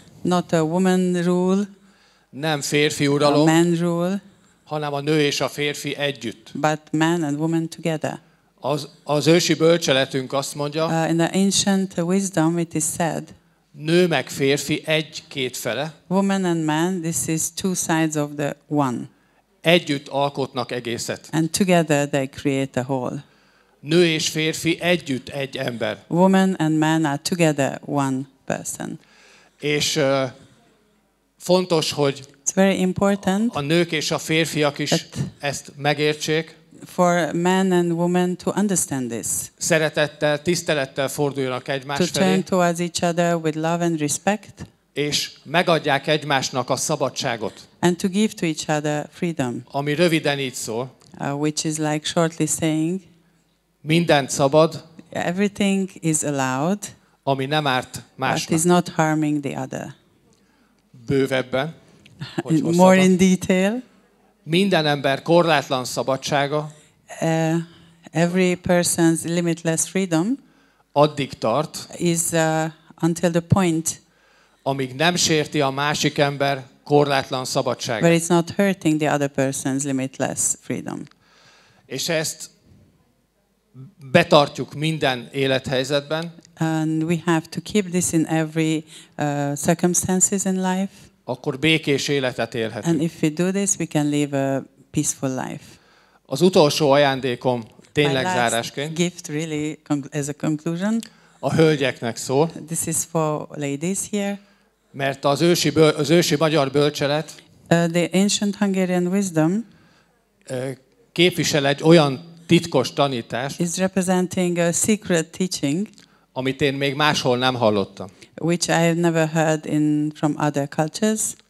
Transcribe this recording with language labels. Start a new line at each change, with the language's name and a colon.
English: Not a woman rule.
Hungarian: Nem férfi uralom.
English: A man rule.
Hungarian: Hanem a nő és a férfi együtt.
English: But man and woman together.
Hungarian: Az ősi bölcseletünk azt mondja.
English: In the ancient wisdom it is said.
Hungarian: Nő meg férfi egy két fele.
English: Woman and man, this is two sides of the one.
Hungarian: Együtt alkotnak egészet.
English: And together they create a whole.
Hungarian: Nő és férfi együtt egy ember.
English: Woman and man are together one person.
Hungarian: És fontos, hogy
English: it's very important
Hungarian: a nők és a férfiak is ezt megértsék.
English: For men and women to understand this.
Hungarian: Szeretettel, tisztelettel forduljanak egymás
English: to
Hungarian: felé.
English: To turn towards each other with love and respect.
Hungarian: És megadják egymásnak a szabadságot.
English: And to give to each other freedom.
Hungarian: Ami röviden így szól.
English: Which is like shortly saying.
Hungarian: Mindent szabad.
English: Everything is allowed.
Hungarian: Ami nem árt másnak.
English: But is not harming the other.
Hungarian: Bővebben.
English: More in detail.
Hungarian: Minden ember korlátlan szabadsága.
English: every person's limitless freedom
Hungarian: addig tart,
English: is until the point
Hungarian: amíg nem sérti a másik ember korlátlan szabadságát.
English: Where it's not hurting the other person's limitless freedom.
Hungarian: És ezt betartjuk minden élethelyzetben.
English: And we have to keep this in every circumstances in life.
Hungarian: Akkor békés életet élhetünk.
English: And if we do this, we can live a peaceful life.
Hungarian: Az utolsó ajándékom tényleg zárásként.
English: My last gift really as a conclusion.
Hungarian: A hölgyeknek szól.
English: This is for ladies here.
Hungarian: Mert az ősi magyar bölcselet
English: the ancient Hungarian wisdom
Hungarian: képvisel egy olyan titkos tanítást,
English: is representing a secret teaching,
Hungarian: amit én még máshol nem hallottam.
English: Which I have never heard in from other cultures.